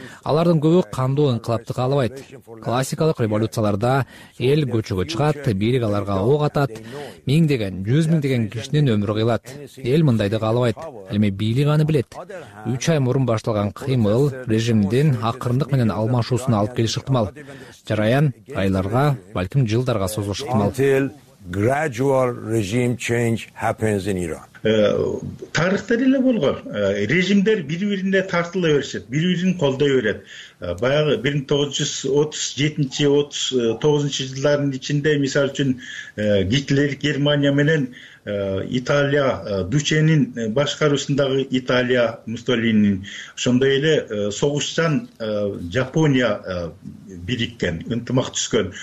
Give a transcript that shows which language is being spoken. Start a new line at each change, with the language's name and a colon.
Kyrgyz: Алардын көбү кандуу инкылапты каалабайт. Классикалык революцияларда эл көчөгө чыгат, бийлик аларга ок атат, миңдеген, жүз миңдеген кишинин өмүрү кыйылат. Эл мындайды каалабайт. Ал эми бийлик аны билет. 3 ай мурун башталган кыймыл режимдин акырындык менен алмашуусуна алып келиш ыктымал. Жараян айларга, балким жылдарга созулушу ыктымал.
English: Gradual regime change happens in Iran.
Kyrgyz: Тарыхта деле болгон. Режимдер бири бирине тартыла беришет, бири бирин колдой берет. Баягы 1937-39 жылдардын ичинде мисалы үчүн Гитлер Германия менен Италия Дученин башкаруусундагы Италия Муссолинин, ошондой эле согуштан Жапония бириккен, ынтымак түзгөн.